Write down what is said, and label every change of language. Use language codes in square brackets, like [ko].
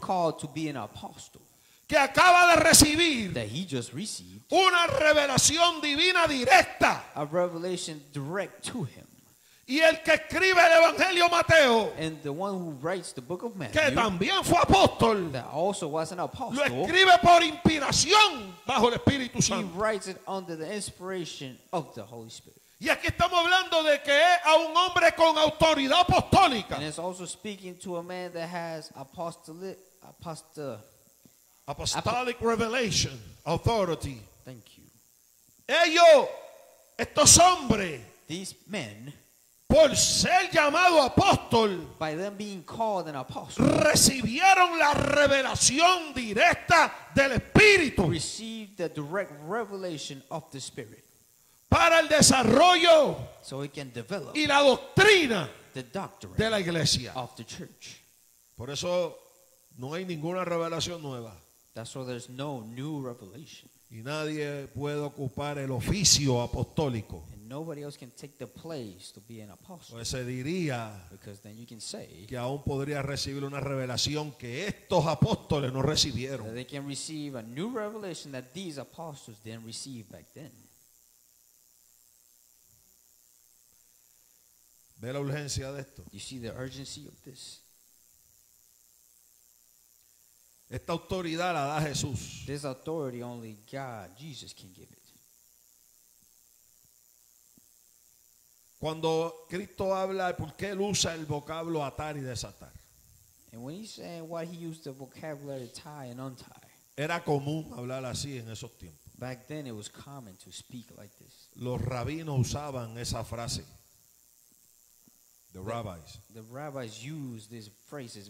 [en] called to be an apostle, [es] que acaba de recibir, [en] that he just received, [es] una revelación divina directa, [en] a revelation direct to him, [es] y el que escribe el evangelio Mateo, [en] and the one who writes the book of Matthew, [es] que también fue apóstol, [en] that also was an apostle, [es] lo escribe por inspiración bajo el Espíritu Santo, [en] he writes it under the inspiration of the Holy Spirit. [es] Y aquí estamos hablando de que es a un hombre con autoridad apostólica. [en] And it's also speaking to a man that has apostolic revelation authority. Thank you. [es] Ellos, estos hombres, [en] these men, [es] por ser llamado apóstol, [en] by them being called an apostle, [es] recibieron la revelación directa del Espíritu, [en] received the direct revelation of the Spirit, [es] para el desarrollo, [en] so we can develop, [es] y la doctrina, [en] the doctrine, [es] de la iglesia, [en] of the church. [es] Por eso no hay ninguna revelación nueva. [en] That's why there's no new revelation. [es] Y nadie puede ocupar el oficio apostólico. [en] And nobody else can take the place to be an apostle. [es] Pues se diría, [en] because then you can say, [es] que aún podría recibir una revelación que estos apóstoles no recibieron. [en] That they can receive a new revelation that these apostles didn't receive back then. [es] ¿Ve la urgencia de esto? [en] You see the urgency of this. [es] Esta autoridad la da Jesús. [en] This authority only God, Jesus, can give it. [es] Cuando Cristo habla, ¿por qué él usa el vocablo atar y desatar? [en] And when he's saying why he used the vocabulary tie and untie. [es] Era común hablar así en esos tiempos. [en] Back then it was common to speak like this. [es] Los rabinos usaban esa frase. [en] The rabbis used these phrases.